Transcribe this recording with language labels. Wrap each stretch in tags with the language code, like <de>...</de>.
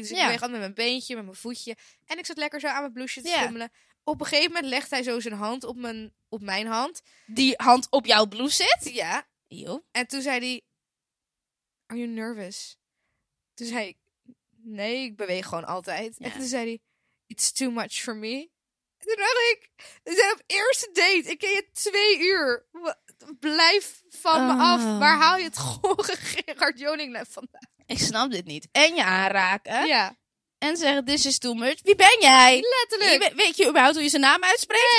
<nl>Dus ik beweeg altijd met mijn beentje, met mijn voetje. En ik zat lekker zo aan mijn blouse te frummelen. Op een gegeven moment legt hij zo zijn hand op mijn hand. Die hand op jouw blouse zit? Ja. Eeuw. En toen zei hij,</nl> <en>are you nervous?</en> <nl>Toen zei ik, nee, ik beweeg gewoon altijd. Ja. En toen zei hij,</nl> <en>it's too much for me.</en> <nl>En toen dacht ik, we zijn op eerste date. Ik ken je 2 uur. Blijf van me af. Waar haal je het gore Gerard Joning vandaan? Ik snap dit niet. En je aanraken. Ja. En zeggen,</nl> <en>this is too much.</en> <nl>Wie ben jij? Letterlijk. Weet je überhaupt hoe je zijn naam uitspreekt?</nl>